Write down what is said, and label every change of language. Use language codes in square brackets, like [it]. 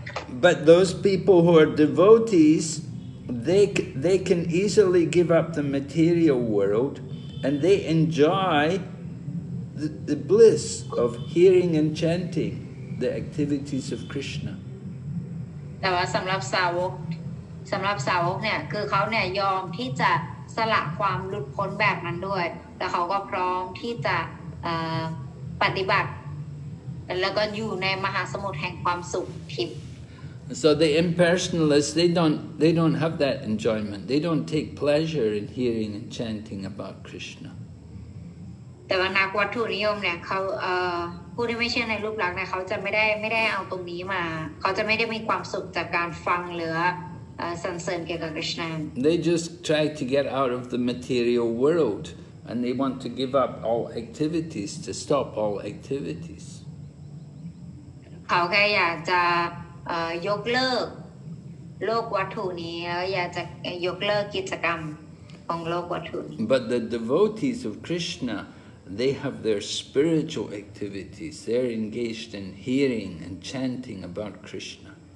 [en] But those people who are devotees, they can easily give up the material world and they enjoy the bliss of hearing and chanting the activities of Krishna. But for [th] สำหรับสาวกเนี่ยคือเขาเนี่ยยอมที่จะสละความหลุดพ้นแบบนั้นด้วยแต่เขาก็พร้อมที่จะปฏิบัติแล้วก็อยู่ในมหาสมุทรแห่งความสุขทิพย์ [en] So the impersonalists, they don't have that enjoyment. They don't take pleasure in hearing and chanting about Krishna. [th] แต่ว่านักวัตถุนิยมเนี่ยเขาผู้ที่ไม่เชื่อในรูปลักษณ์เนี่ยเขาจะไม่ได้เอาตรงนี้มาเขาจะไม่ได้มีความสุขจากการฟังหรือสรรเสริญเกี่ยวกับคริสต์นา [en] They just try to get out of the material world and they want to give up all activities to stop all activities [th] เขาแค่อยากจะยกเลิกโลกวัตถุนี้แล้วอยากจะยกเลิกกิจกรรมของโลกวัตถุ [en] But the devotees of KrishnaThey have their spiritual activities. They're engaged in hearing and chanting about Krishna.